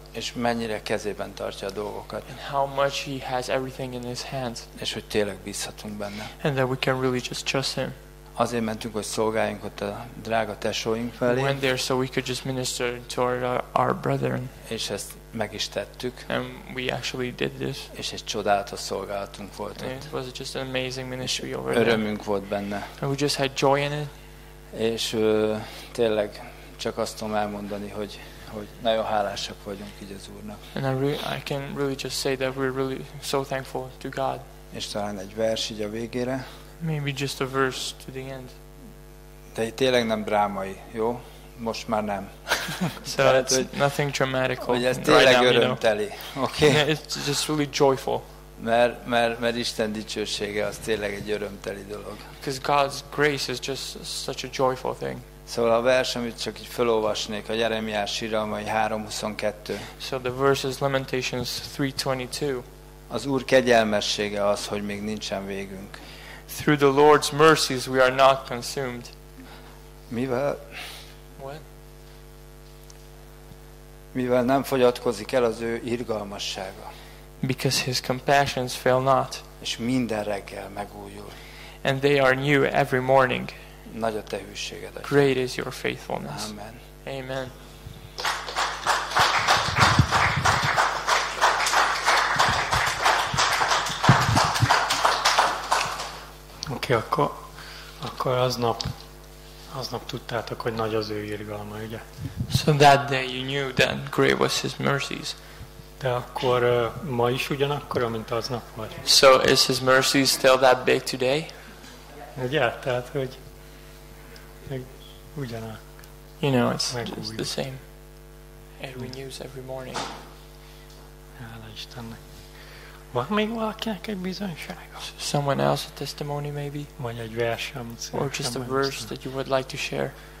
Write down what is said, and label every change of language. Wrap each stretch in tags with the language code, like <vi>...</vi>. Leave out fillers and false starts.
<hu>És mennyire kezében tartja a dolgokat.</hu> <en>And how much he has everything in his hands.</en> <hu>És hogy tényleg bízhatunk benne.</hu> <en>And that we can really just trust him.</en> <hu>Azért mentünk, hogy szolgáljunk ott a drága tesóink felé.</hu> <en>We went there so we could just minister to our brethren.</en> <hu>És ezt meg is tettük.</hu> <en>And we actually did this.</en> <hu>És egy csodálatos szolgálatunk volt ott.</hu> <en>It was just an amazing ministry over</en> <hu>there. Örömünk volt benne.</hu> <en>And we just had joy in it.</en> <hu>És tényleg csak azt tudom elmondani, hogy nagyon hálásak vagyunk így az Úrnak.</hu> <en>And I can really just say that we're really so thankful to God.</en> <hu>És talán egy vers így a végére.</hu> <en>Maybe just a verse to the end.</en> <hu>De tényleg nem drámai, jó? Most már nem.</hu> <en>So it's nothing dramatic.</en> <hu>Hogy ez tényleg örömteli, oké?</hu> <en>It's just really joyful.</en> <hu>Mert Isten dicsősége az tényleg egy örömteli dolog.</hu> <en>Because God's grace is just such a joyful thing.</en> <hu>Szóval a vers, amit csak így felolvasnék, a Jeremiás írámai 3:22.</hu> <en>So the verse is Lamentations 3:22.</en> <hu>Az Úr kegyelmessége az, hogy még nincsen végünk.</hu> <en>Through the Lord's mercies we are not consumed.</en> <hu>Mivel nem fogyatkozik el az ő irgalmassága.</hu> <en>Because his compassions fail not.</en> <hu>És minden reggel megújul.</hu> <en>And they are new every morning.</en> <hu>Nagy a te hűséged.</hu> <en>Great is your faithfulness.</en> <hu>Amen.</hu> <en>Amen.</en> <hu>Oké, akkor aznap tudtátok, hogy nagy az ő irgalma, ugye?</hu> <en>So that day you knew that great was his mercies.</en> <hu>De akkor ma is ugyanakkor, mint aznap vagy.</hu> <en>So is his mercies still that big today?</en> <hu>Ugye, tehát, hogy ugyanak.</hu> <en>You know, it's just the same. It renews every morning.</en> <hu>Hála Istennek. Van még valakinek egy bizonysága?</hu> <en>Someone else a testimony maybe?</en> <hu>Vagy egy vers, amit szeretném.</hu> <en>Or just a verse that you would like to share.</en>